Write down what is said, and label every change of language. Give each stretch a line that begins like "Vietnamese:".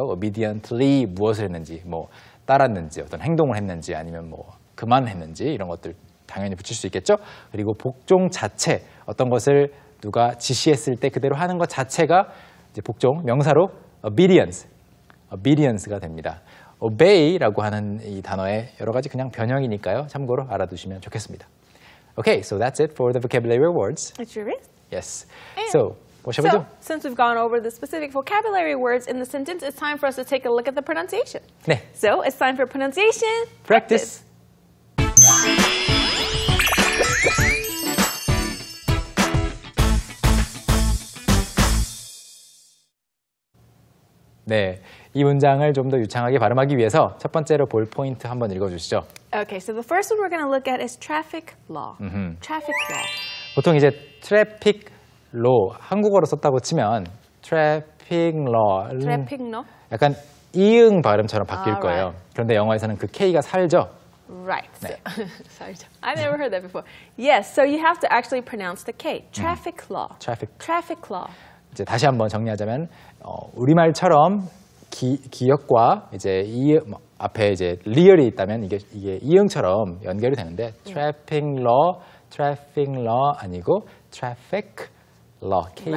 Korean: obediently 무엇을 했는지 뭐 따랐는지 어떤 행동을 했는지 아니면 뭐 그만했는지 이런 것들 당연히 붙일 수 있겠죠. 그리고 복종 자체 어떤 것을 누가 지시했을 때 그대로 하는 것 자체가 이제 복종 명사로 obedience가 됩니다. Obey라고 하는 이 단어의 여러 가지 그냥 변형이니까요. 참고로 알아두시면 좋겠습니다.
English: Okay, so that's it for the vocabulary words. It sure is. Yes. And so, what shall so, we do? So, since we've gone over the specific vocabulary words in the sentence, it's time for us to take a look at the pronunciation.
Korean: 네.
English: So, it's time for pronunciation practice.
Korean: 네. 이 문장을 좀 더 유창하게 발음하기 위해서 첫 번째로 볼 포인트 한번 읽어주시죠.
English: Okay, so the first one we're going to look at is traffic law. Mm-hmm. Traffic law.
Korean: 보통 이제 traffic law, 한국어로 썼다고 치면 traffic law.
English: Traffic law?
Korean: 약간 이응 발음처럼 바뀔 거예요.
English: Right.
Korean: 그런데 영어에서는 그 K가 살죠?
English: Right.
Korean: 네.
English: So, I never heard that before. Yes, so you have to actually pronounce the K. Traffic law. Traffic. Traffic law.
Korean: 이제 다시 한번 정리하자면 우리말처럼 기역과 이제 이 앞에 이제 리얼이 있다면 이게 이응처럼 연결이 되는데 traffic law 아니고 traffic law K